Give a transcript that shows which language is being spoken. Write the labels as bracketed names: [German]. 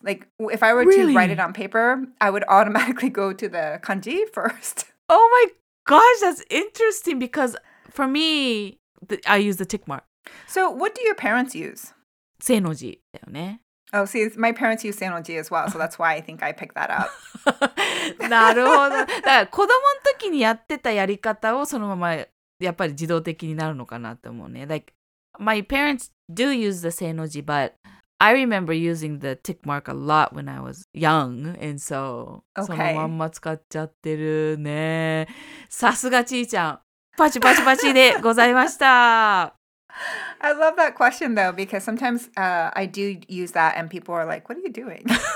[English] Like, if I were to write it on paper, I would automatically go to the kanji first. Oh my gosh, that's interesting because for me, I use the tick mark. So what do your parents use? [Japanese] せーのじだよね。 [English] Oh, see, my parents use Seinoji as well, so that's why I think I picked that up. [Japanese] なるほど。だから子供の時にやってたやり方をそのままやっぱり自動的になるのかなと思うね。 [English] Like, my parents do use the Seinoji, but I remember using the tick mark a lot when I was young, and so、 okay. [Japanese] そのまんま使っちゃってるね。さすがちーちゃん。パチパチパチでございました。 [English] I love that question though, because sometimes I do use that and people are like, what are you doing?